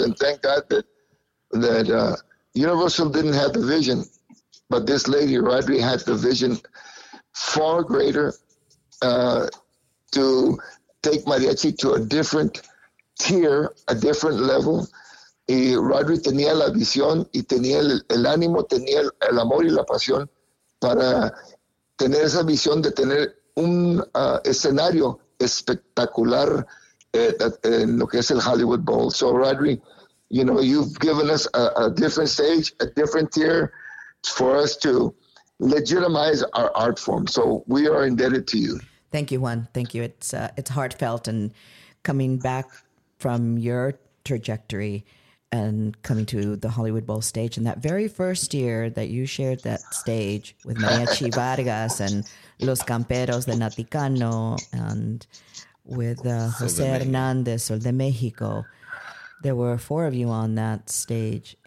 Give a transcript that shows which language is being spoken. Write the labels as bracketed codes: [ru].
[en] And thank God that Universal didn't have the vision, but this lady, Rodri, had the vision far greater to take mariachi to a different tier, a different level. [es] Y Rodri tenía la visión y tenía el ánimo, tenía el amor y la pasión para tener esa visión de tener un escenario espectacular en lo que es el Hollywood Bowl. [en] So, Rodri, you know, you've given us a different stage, a different tier for us to legitimize our art form. So we are indebted to you. Thank you, Juan. Thank you. It's heartfelt. And coming back from your trajectory and coming to the Hollywood Bowl stage, and that very first year that you shared that stage with Mariachi Vargas and Los Camperos de Naticano and with Jose Hernandez, Sol de Mexico, there were four of you on that stage.